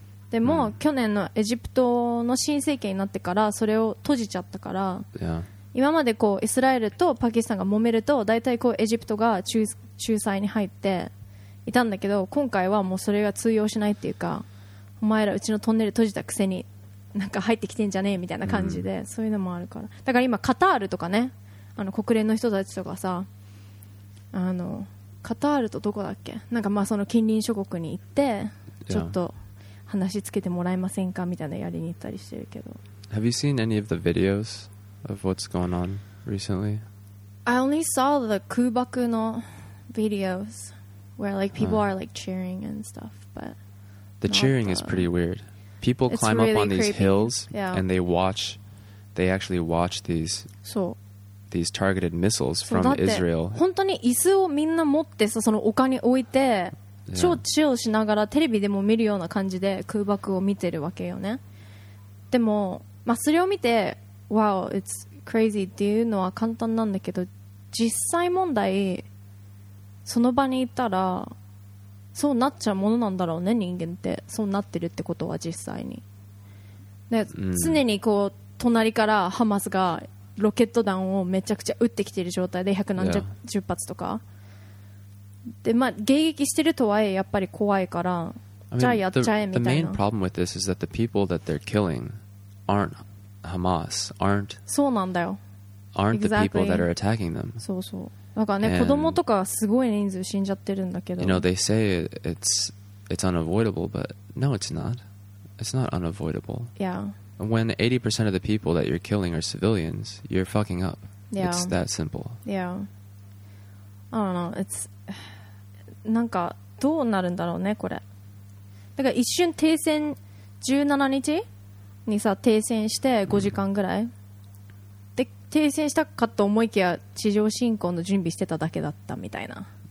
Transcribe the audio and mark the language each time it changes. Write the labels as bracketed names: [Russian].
[Japanese] でも去年のエジプトの新政権になってからそれを閉じちゃったから、今までこうイスラエルとパキスタンが揉めるとだいたいこうエジプトが仲裁に入っていたんだけど、今回はもうそれが通用しないっていうか、お前らうちのトンネル閉じたくせになんか入ってきてんじゃねえみたいな感じで、そういうのもあるから。だから今カタールとかね、あの国連の人たちとかさ、あのカタールとどこだっけ、なんかまあその近隣諸国に行ってちょっと話つけてもらえませんかみたいなやりに行ったりしてるけど。 [English] Have you seen any of the videos of what's going on recently? I only saw the [Japanese] 空爆の [English] videos where like people are like cheering and stuff, but the cheering is pretty weird. People climb really up on these creepy hills, yeah, and they watch, they actually watch these, so, these targeted missiles so from Israel. [Japanese] 本当に椅子をみんな持ってさ、その丘に置いて、yeah, 超チルしながらテレビでも見るような感じで空爆を見てるわけよね。でも、まあ、それを見て [English] Wow, it's crazy [Japanese] っていうのは簡単なんだけど、実際問題その場にいたらそうなっちゃうものなんだろうね、人間って。そうなってるってことは実際に。で、常にこう、隣からハマスがロケット弾をめちゃくちゃ撃ってきてる状態で、百何十、yeah. 十発とか。で、まあ、迎撃してるとはいえ、やっぱり怖いから、じゃあやっちゃえみたいな。 [English] The main problem with this is that the people that they're killing aren't Hamas, aren't... [Japanese] そうなんだよ。 [English] Aren't the people that are attacking them. [Japanese] そうそう。なんかね、子供とかすごい人数死んじゃってるんだけど。 [English] You know, they say it's unavoidable, but no, it's not. It's not unavoidable. Yeah. When 80% of the people that you're killing are civilians, you're fucking up. Yeah. It's that simple. Yeah. I don't know. It's... [Japanese] なんか、どうなるんだろうね、これ。だから一瞬停戦17日にさ、停戦して5時間ぐらい。 Mm. 停戦したかと思いきや地上侵攻の準備してただけだったみたいな。